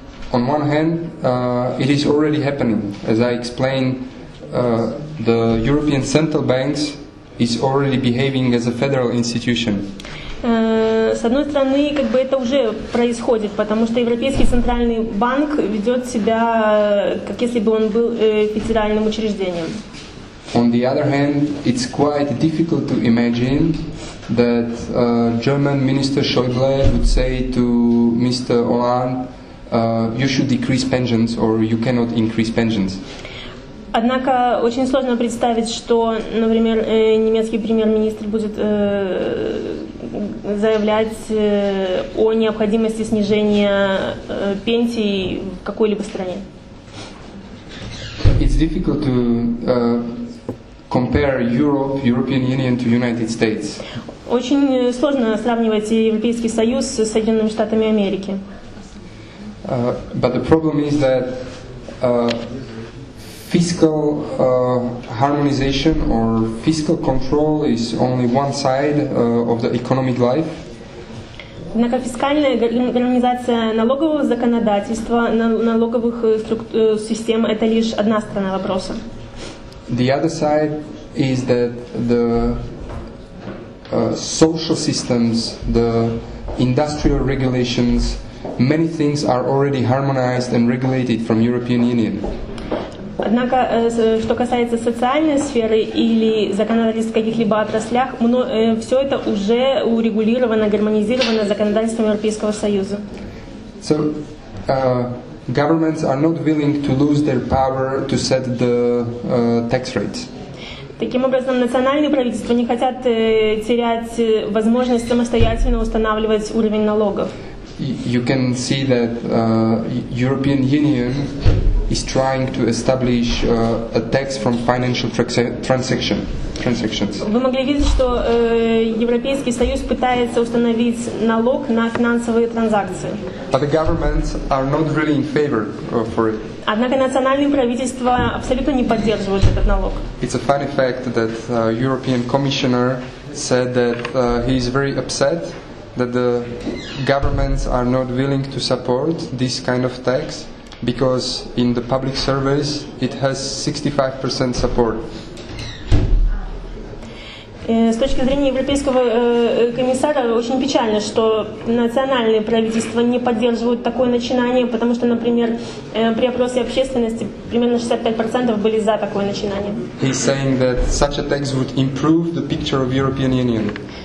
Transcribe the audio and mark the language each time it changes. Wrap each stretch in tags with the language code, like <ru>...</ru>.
<en>On one hand, it is already happening. As I explained, the European Central Bank is already behaving as a federal institution.</en> <ru>С одной стороны, как бы это уже происходит, потому что Европейский Центральный Банк ведет себя, как если бы он был федеральным учреждением.</ru> <en>On the other hand, it's quite difficult to imagine that German Minister Schäuble would say to Mr. Hollande, you should decrease pensions or you cannot increase pensions.</en> <ru>Однако очень сложно представить, что, например, немецкий премьер-министр будет заявлять о необходимости снижения пенсий в какой-либо стране.</ru> <en>It's difficult to compare Europe, European Union to United States.</en> <ru>Очень сложно сравнивать Европейский Союз с Соединенными Штатами Америки.</ru> <en>But the problem is that fiscal harmonization or fiscal control is only one side of the economic life.</en> <ru>Однако фискальная гармонизация налогового законодательства, налоговых систем – это лишь одна сторона вопроса.</ru> <en>The other side is that the social systems, the industrial regulations, many things are already harmonized and regulated from European Union.</en> <ru>Однако, что касается социальной сферы или законодательства в каких-либо отраслях, все это уже урегулировано, гармонизировано законодательством Европейского Союза.</ru> <en>So, governments are not willing to lose their power to set the tax rates.</en> <ru>Таким образом, национальные правительства не хотят терять возможность самостоятельно устанавливать уровень налогов.</ru> <en>You can see that European Union is trying to establish a tax from financial transactions.</en> <ru>Вы могли видеть, что Европейский Союз пытается установить налог на финансовые транзакции.</ru> <en>But the governments are not really in favor for it.</en> <ru>Однако национальные правительства абсолютно не поддерживают этот налог.</ru> <en>It's a funny fact that European Commissioner said that he is very upset that the governments are not willing to support this kind of tax. Because in the public surveys it has 65% support.</en> <ru>С точки зрения Европейского комиссара очень печально, что национальные правительства не поддерживают такое начинание, потому что, например, при опросе общественности примерно 65% были за такое начинание.</ru> <en>He's saying that such a tax would improve the picture of European Union.</en>